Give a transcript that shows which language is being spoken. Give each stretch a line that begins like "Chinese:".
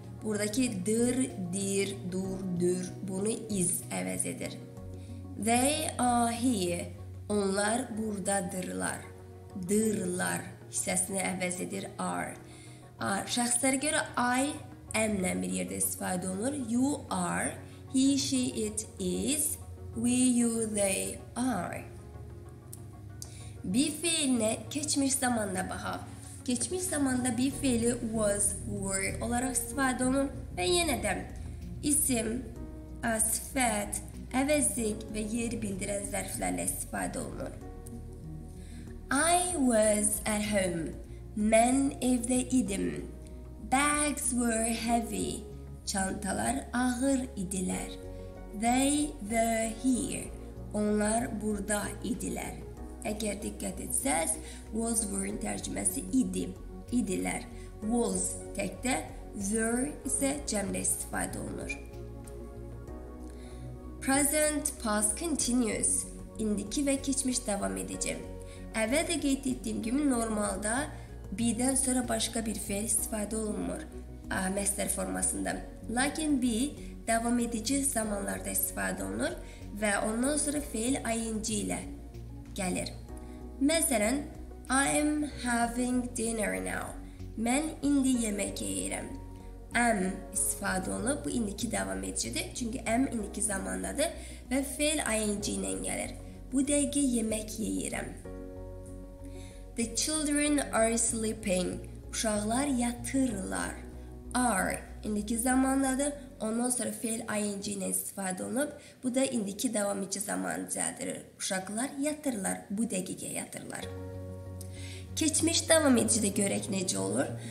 Azerbaijani: Buradakı dır, dir, dur, dür bunu is əvəz edir.
English: They are here.
Azerbaijani: Onlar buradadırlar. Dırlar hissəsini əvəz edir are. Şəxslərə görə I am ilə bir yerdə istifadə olunur.
English: You are, he, she, it, is, we, you, they are.
Azerbaijani: Bir feilinə keçmiş zamanda baxaq. Keçmiş zamanda bir feili was, were olaraq istifadə olunur. Və yenə də isim, sifət, əvəzlik və yer bildirən zərflərlə istifadə olunur.
English: I was at home.
Azerbaijani: Mən evdə idim.
English: Bags were heavy.
Azerbaijani: Çantalar ağır idilər.
English: They were here.
Azerbaijani: Onlar burada idilər. Əgər diqqət etsəz, was were-in tərcüməsi idi. İdilər. Was təkdə, were isə cəmlə istifadə olunur.
English: Present, past, continuous.
Azerbaijani: İndiki və keçmiş davam edəcəm. Əvvəldə qeyd etdiyim kimi normalda B-dən sonra başqa bir fəil istifadə olunmur. Məsdər formasında. Lakin B davam edici zamanlarda istifadə olunur və ondan sonra fəil ing ilə gəlir. Məsələn,
English: I'm having dinner now.
Azerbaijani: Mən indi yemək yeyirəm. Am istifadə olunub, bu indiki davam edicidir. Çünki am indiki zamandadır və fail ing ilə gəlir. Bu dəqiqə yemək yeyirəm.
English: The children are sleeping.
Azerbaijani: Uşaqlar yatırlar. Are indiki zamandadır. Ondan sonra fail ing ilə istifadə olunub. Bu da indiki davam edici zamanı cədirir. Uşaqlar yatırlar. Bu dəqiqə yatırlar. Keçmiş davam edicidə görək necə olur?